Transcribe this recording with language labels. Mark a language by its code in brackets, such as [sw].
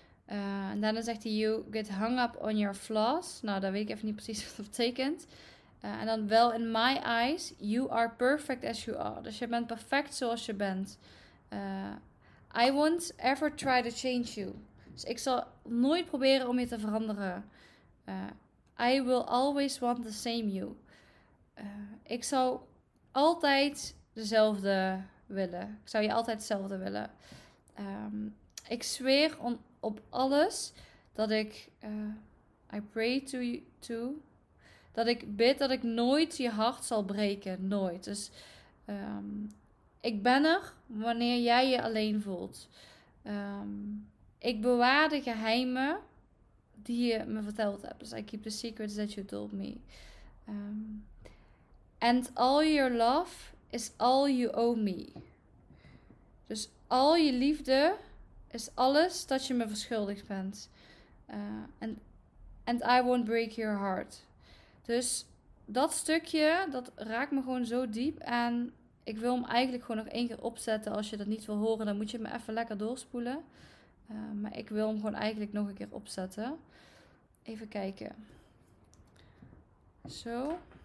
[nl] En daarna zegt hij, [en] you get hung up on your flaws. [nl] Nou, dat weet ik even niet precies wat dat betekent. En dan wel [en] in my eyes, you are perfect as you are. [nl] Dus je bent perfect zoals je bent. [en] I won't ever try to change you. [nl] Dus ik zal nooit proberen om je te veranderen. [en] I will always want the same you. [nl] Ik zou altijd dezelfde willen. Ik zou je altijd hetzelfde willen. Ik zweer op alles dat ik... [en] I pray to you to... [nl] Dat ik bid dat ik nooit je hart zal breken. Nooit. Dus ik ben er wanneer jij je alleen voelt. Ik bewaar de geheimen die je me verteld hebt. [en] Dus I keep the secrets that you told me. And all your love is all you owe me. [nl] Dus al je liefde is alles dat je me verschuldigd bent. [en] And I won't break your heart. [nl] Dus dat stukje, dat raakt me gewoon zo diep. En ik wil hem eigenlijk gewoon nog 1 keer opzetten. Als je dat niet wil horen, dan moet je me even lekker doorspoelen. Maar ik wil hem gewoon eigenlijk nog 1 keer opzetten. Even kijken. Zo.